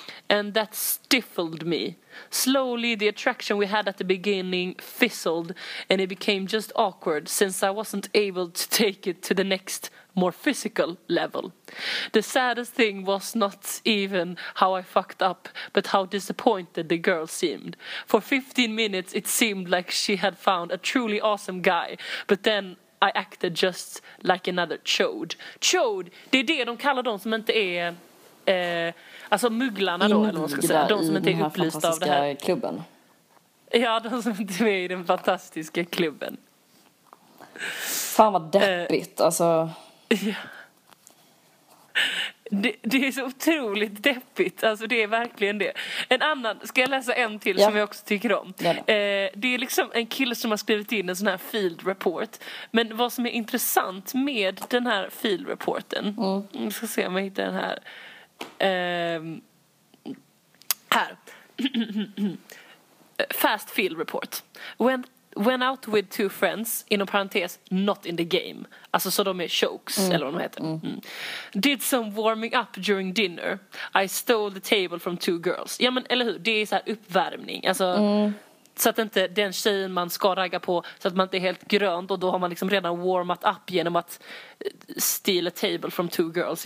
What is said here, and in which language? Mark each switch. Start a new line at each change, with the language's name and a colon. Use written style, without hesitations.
English: and that stifled me. Slowly the attraction we had at the beginning fizzled and it became just awkward since I wasn't able to take it to the next more physical level. The saddest thing was not even how I fucked up, but how disappointed the girl seemed. For 15 minutes it seemed like she had found a truly awesome guy, but then I acted just like another chode.
Swedish: Chode, det är det de kallar de som inte är alltså mugglarna då, eller vad man ska säga. De som inte är upplysta av det här. Klubben. Ja, de som inte är i den fantastiska klubben. Fan vad deppigt, alltså. Ja. Det är så otroligt deppigt. Alltså det är verkligen det. En annan, ska jag läsa en till som jag också tycker om. Det är liksom en kille som har skrivit in en sån här field report. Men vad som är intressant med den här field reporten. Vi ska se om jag hittar den här. Här. Fast field report.
English: Went out with two friends,
Swedish: inom parentes,
English: not in the game.
Swedish: Alltså så de är chokes, eller vad de heter.
English: Did some warming up during dinner. I stole the table from two girls.
Swedish: Ja, men eller hur? Det är så här uppvärmning. Alltså, så att inte den tjejen man ska ragga på, så att man inte är helt grönt. Och då har man liksom redan warmat up genom att
English: steal a table from two girls.